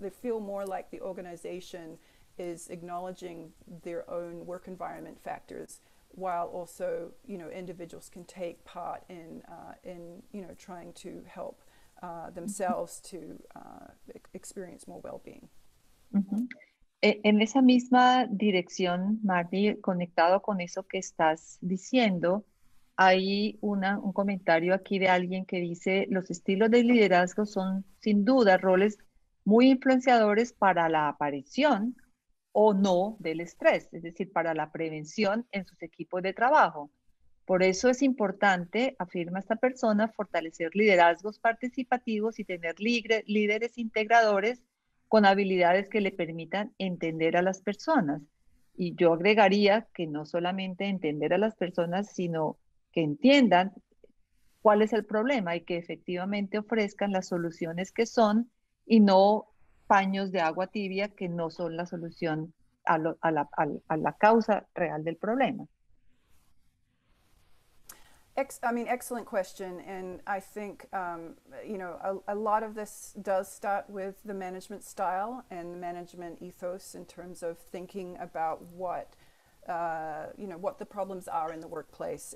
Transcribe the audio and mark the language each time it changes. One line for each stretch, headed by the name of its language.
English: They feel more like the organization is acknowledging their own work environment factors, while also, you know, individuals can take part in you know, trying to help themselves to experience more well-being. Uh-huh.
Spanish: En esa misma dirección, Marnie, conectado con eso que estás diciendo, hay un comentario aquí de alguien que dice, los estilos de liderazgo son sin duda roles muy influenciadores para la aparición o no del estrés, es decir, para la prevención en sus equipos de trabajo. Por eso es importante, afirma esta persona, fortalecer liderazgos participativos y tener líderes integradores con habilidades que le permitan entender a las personas. Y yo agregaría que no solamente entender a las personas, sino que entiendan cuál es el problema y que efectivamente ofrezcan las soluciones que son y no paños de agua tibia que no son la solución a la causa real del problema.
English: Excellent question, and I think you know, a lot of this does start with the management style and the management ethos in terms of thinking about what you know, what the problems are in the workplace.